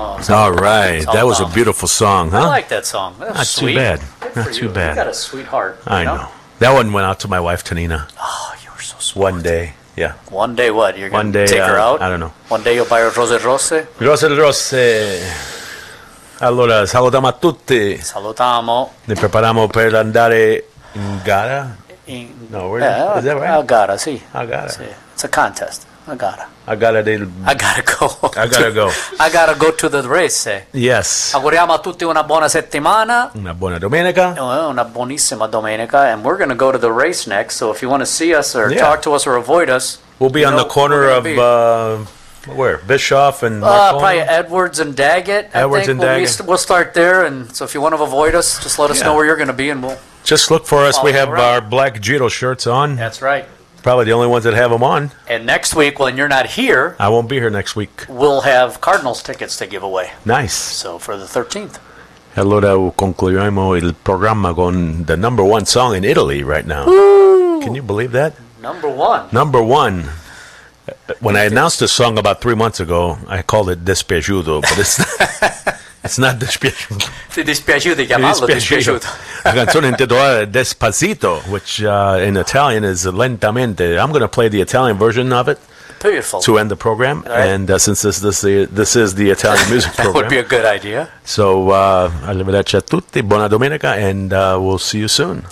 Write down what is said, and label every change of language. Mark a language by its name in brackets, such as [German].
[English] All right, that was a beautiful song, huh? I like that song. That not sweet. Too bad. Not too you. Bad. You got a sweetheart. I know. That one went out to my wife, Tanina. Oh, you're so sweet. One day, yeah. One day what? You're going to take her out? I don't know. One day you'll buy her Rose Rose? Rose Rose. [Italian] Allora, salutiamo a tutti. Salutiamo. Ne prepariamo per andare in gara? In, [English] no, where is that right? [Italian] A gara, sì. A gara. Sì. [English] It's a contest. I gotta. I gotta go. I gotta go to the race. Yes. [Italian] Auguriamo a tutti una buona settimana. Una buona domenica. Una buonissima domenica. [English] And we're gonna go to the race next. So if you wanna see us or talk to us or avoid us, we'll be on the corner of where? Bischoff and Marconi? Probably Edwards and Daggett. Edwards and Daggett. We'll start there. And so if you wanna avoid us, just let us know where you're gonna be, and we'll just look for us. We have our black Giro shirts on. That's right. Probably the only ones that have them on. And next week, when you're not here... I won't be here next week. We'll have Cardinals tickets to give away. Nice. So, for the 13th. [Italian] Allora, concluiamo il programma con [English] the number one song in Italy right now. Woo! Can you believe that? Number one. Number one. When I announced this song about 3 months ago, I called it Despiaciuto, but it's not, it's not Despiaciuto. Si dispiaciuto, chiamalo Despiaciuto. [Italian] La canzone intitolata Despacito, [English] which in Italian is [Italian] Lentamente. [English] I'm going to play the Italian version of it. Beautiful. To end the program. Right. And since this is the Italian music that program. That would be a good idea. So, [Italian] arrivederci a tutti, buona domenica, [English] and we'll see you soon.